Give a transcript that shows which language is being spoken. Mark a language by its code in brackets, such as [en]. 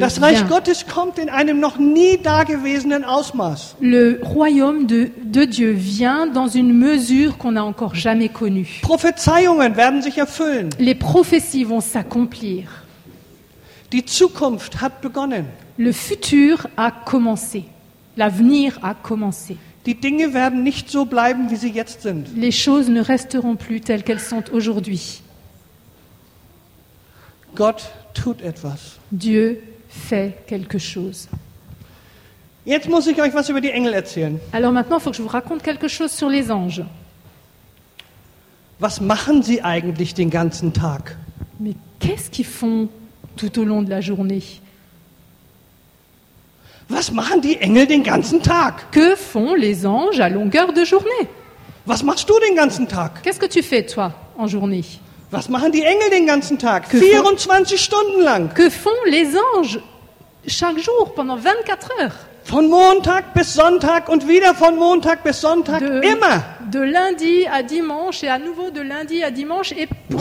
[de] Das Reich Gottes kommt in einem noch nie dagewesenen Ausmaß. [fr] Le royaume de Dieu vient dans une mesure qu'on a encore jamais connue. [de] Prophezeiungen werden sich erfüllen. [fr] Les prophéties vont s'accomplir. [de] Die Zukunft hat begonnen. [fr] Le futur a commencé. L'avenir a commencé. [de] Die Dinge werden nicht so bleiben, wie sie jetzt sind. [fr] Les choses ne resteront plus telles qu'elles sont aujourd'hui. [de] Gott tut etwas. [fr] Dieu fait quelque chose. [de] Jetzt muss ich euch was über die Engel erzählen. [fr] Alors maintenant, faut que je vous raconte quelque chose sur les anges. [de] Was machen sie eigentlich den ganzen Tag? [fr] Mais qu'est-ce qu'ils font tout au long de la journée? [de] Was machen die Engel den ganzen Tag? [fr] Que font les anges à longueur de journée? [de] Was machst du den ganzen Tag? [fr] Qu'est-ce que tu fais toi en journée? [de] Was machen die Engel den ganzen Tag? 24 Stunden lang. [fr] Que font les anges chaque jour pendant 24 heures? [de] Von Montag bis Sonntag und wieder von Montag bis Sonntag, [fr] de, [de] immer. [fr] De lundi à dimanche et à nouveau de lundi à dimanche et pour